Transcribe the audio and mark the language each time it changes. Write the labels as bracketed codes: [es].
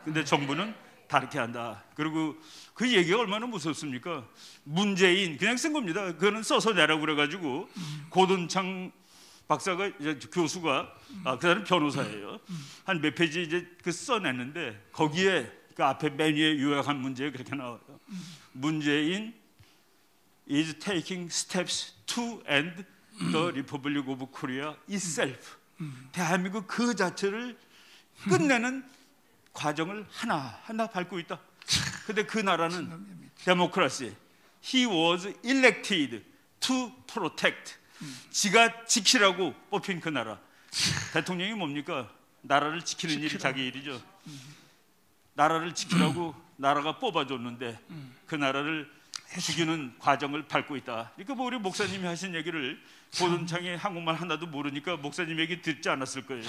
[ko] 근데 정부는 다르게 한다. 그리고 그 얘기가 얼마나 무섭습니까? 문재인 그냥 쓴 겁니다. 그거는 써서 내라고 그래가지고 고든창 박사가 이제 교수가 그 사람은 변호사예요. 한 몇 페이지 이제 그 써냈는데 거기에 그 앞에 맨 위에 요약한 문제 그렇게 나와요. [en] 문재인 is taking steps to end the Republic of Korea itself. [ko] 대한민국 그 자체를 끝내는 과정을 하나 밟고 있다. 근데 그 나라는 democracy. [en] He was elected to protect. [ko] 지가 지키라고 뽑힌 그 나라. 대통령이 뭡니까? 나라를 지키는 일이 자기 일이죠. 나라를 지키라고 나라가 뽑아줬는데 그 나라를 죽이는 과정을 밟고 있다. 그러니까 뭐 우리 목사님이 하신 얘기를 보존창에 한국말 하나도 모르니까 목사님 얘기 듣지 않았을 거예요.